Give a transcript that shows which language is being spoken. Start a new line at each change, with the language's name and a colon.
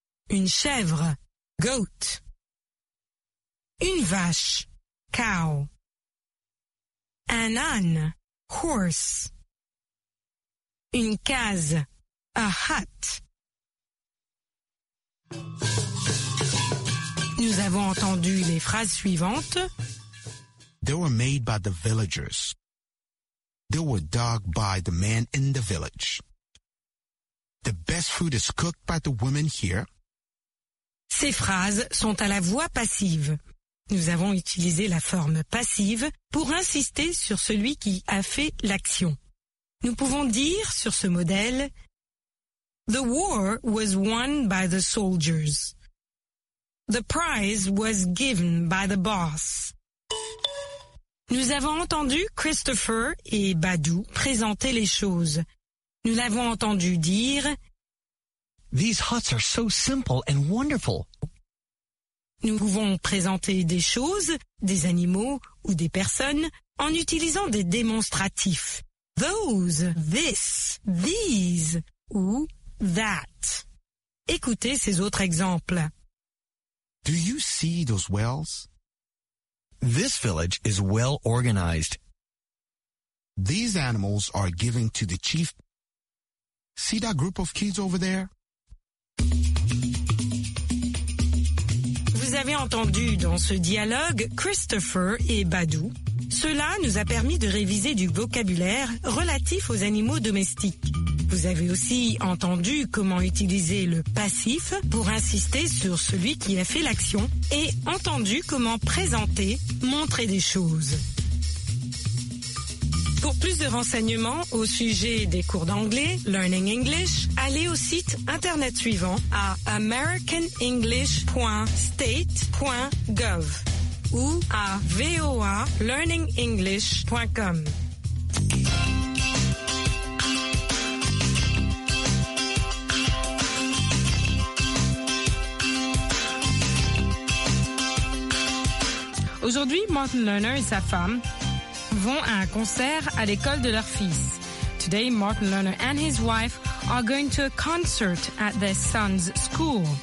French: Une chèvre, goat. Une vache, cow. Un âne, horse. Une case,
English: a hut.
French: Nous avons entendu les phrases suivantes.
English: They were made by the villagers. They were dug by the man in the village. The best food is cooked by the women here.
French: Ces phrases sont à la voix passive. Nous avons utilisé la forme passive pour insister sur celui qui a fait l'action. Nous pouvons dire sur ce modèle,
English: The war was won by the soldiers. The prize was given by the boss.
French: Nous avons entendu Christopher et Badou présenter les choses. Nous l'avons entendu dire
English: These huts are so simple and wonderful.
French: Nous pouvons présenter des choses, des animaux ou des personnes en utilisant des démonstratifs.
English: Those, this, these ou that.
French: Écoutez ces autres exemples.
English: Do you see those wells? This village is well organized. These animals are given to the chief. See that group of kids over there?
French: Vous avez entendu dans ce dialogue Christopher et Badou. Cela nous a permis de réviser du vocabulaire relatif aux animaux domestiques. Vous avez aussi entendu comment utiliser le passif pour insister sur celui qui a fait l'action et entendu comment présenter, montrer des choses. Pour plus de renseignements au sujet des cours d'anglais, Learning English, allez au site internet suivant à americanenglish.state.gov ou à voalearningenglish.com. Aujourd'hui, Martin Lerner et sa femme vont à un concert à l'école de leur fils.
English: Today, Martin Lerner and his wife are going to a concert at their son's school.